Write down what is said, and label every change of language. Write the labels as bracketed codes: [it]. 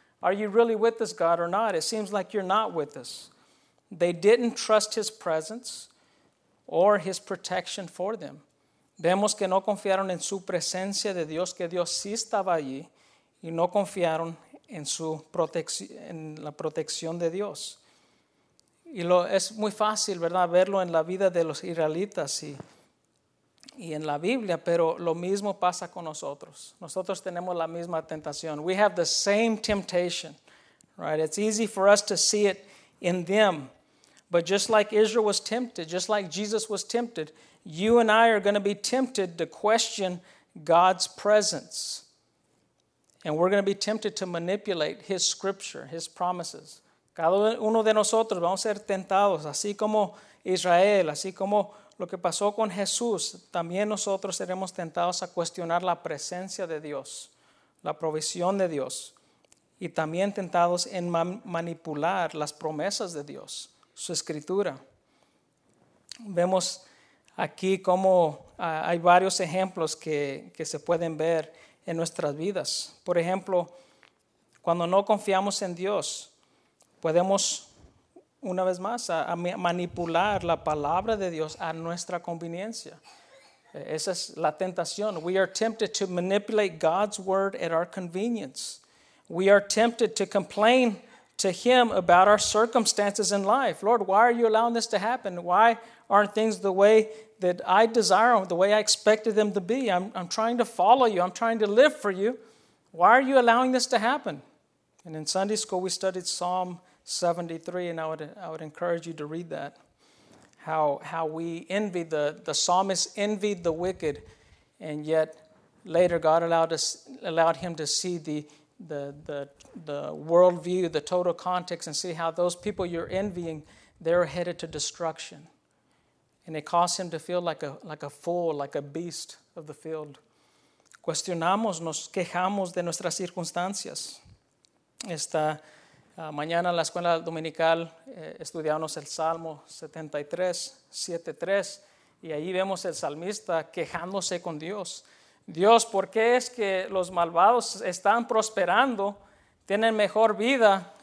[en] Are you really with us, God, or not? It seems like you're not with us. They didn't trust his presence or his protection for them. [es] Vemos que no confiaron en su presencia de Dios, que Dios sí estaba allí, y no confiaron en su en la protección de Dios. Y es muy fácil, ¿verdad?, verlo en la vida de los israelitas y en la Biblia, pero lo mismo pasa con nosotros. Nosotros tenemos la misma tentación. [en] We have the same temptation, right? It's easy for us to see it in them. But just like Israel was tempted, just like Jesus was tempted, you and I are going to be tempted to question God's presence. And we're going to be tempted to manipulate his scripture, his promises. [es] Cada uno de nosotros vamos a ser tentados, así como Israel, así como lo que pasó con Jesús, también nosotros seremos tentados a cuestionar la presencia de Dios, la provisión de Dios, y también tentados en manipular las promesas de Dios, su escritura. Vemos aquí cómo hay varios ejemplos que se pueden ver en nuestras vidas. Por ejemplo, cuando no confiamos en Dios, podemos una vez más a manipular la palabra de Dios a nuestra conveniencia. Esa es la tentación. [en] We are tempted to manipulate God's word at our convenience. We are tempted to complain to him about our circumstances in life. Lord, why are you allowing this to happen? Why aren't things the way that I desire them, the way I expected them to be? I'm trying to follow you. I'm trying to live for you. Why are you allowing this to happen? And in Sunday school, we studied Psalm 73, and I would encourage you to read that. How we envy, the psalmist envied the wicked, and yet Later, God allowed him to see the worldview, the total context, and see how those people you're envying, they're headed to destruction. And it caused him to feel like a fool, like a beast of the field. [es] Cuestionamos, nos quejamos de nuestras circunstancias. Esta mañana en la escuela dominical estudiamos el Salmo 73, 7-3, y ahí vemos el salmista quejándose con Dios. Dios, ¿por qué es que los malvados están prosperando, tienen mejor vida?